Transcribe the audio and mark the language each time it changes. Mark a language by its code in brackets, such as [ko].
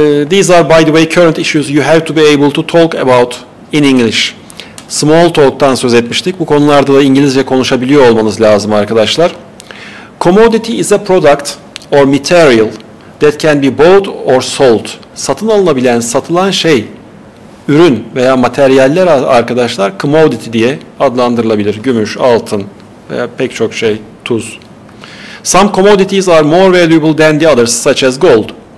[en] These are, by the way, current issues you have to be able to talk about in English. [tr] Small talk'tan söz etmiştik. Bu konularda da İngilizce konuşabiliyor olmanız lazım arkadaşlar. [en] Commodity is a product or material that can be bought or sold. [tr] Satın alınabilen, satılan şey, ürün veya materyaller arkadaşlar, commodity diye adlandırılabilir. Gümüş, altın veya pek çok şey, tuz. [en] Some commodities are more valuable than the others, such as gold.